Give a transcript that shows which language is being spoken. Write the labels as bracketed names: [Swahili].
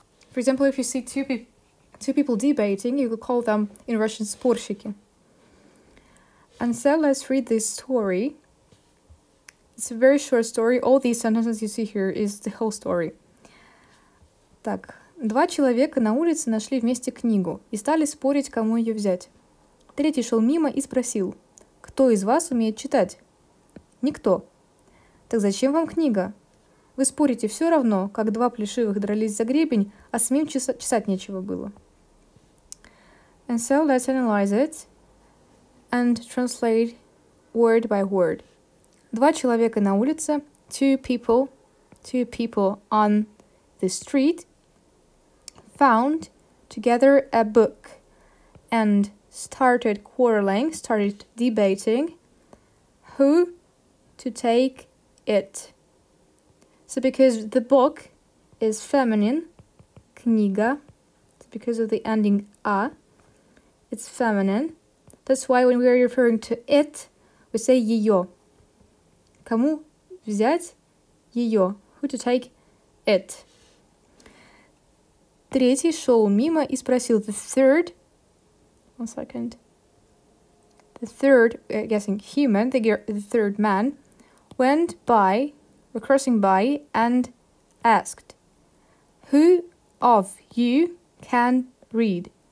[English] For example, if you see two people debating, you could call them in Russian спорщики. And so let's read this story. It's a very short story. All these sentences you see here is the whole story. [Russian] Так, два человека на улице нашли вместе книгу и стали спорить, кому ее взять. Третий шел мимо и спросил: «Кто из вас умеет читать?» «Никто». «Так зачем вам книга?» «Вы спорите все равно, как два плешивых дрались за гребень, а самим чесать нечего было». [English] And so let's analyze it and translate word by word. [Russian] Два человека на улице, [English] two people on the street, found together a book and started quarreling, started debating who to take it. So because the book is feminine, книга, because of the ending a, it's feminine. That's why when we are referring to it, we say её. [Russian] Кому взять её? [English] Who to take it? [Russian] Третий шёл мимо и спросил. [English] The third man, went by, or crossing by, and asked, who of you can read?